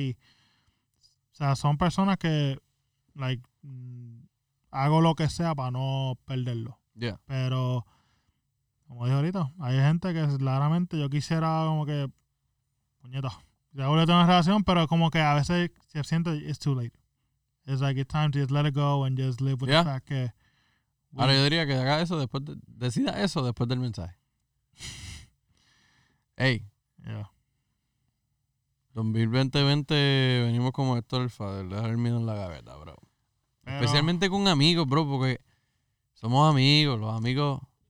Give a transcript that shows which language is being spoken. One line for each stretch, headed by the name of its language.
Spanish: Y, o sea, son personas que, like, hago lo que sea para no perderlo. Yeah. Pero... como dije ahorita, hay gente que claramente yo quisiera como que, puñeta, ya volví a tener una relación, pero como que a veces se siente,
English: it's too late. It's like, it's time to just let it go and just live with, yeah, the fact que...
Spanish: Bueno. Ahora yo diría que haga eso después, decida eso después del mensaje. Ey. Yeah. 2020 venimos como esto del father, dejar el miedo en la gaveta, bro. Pero... especialmente con amigos, bro, porque somos amigos, los amigos...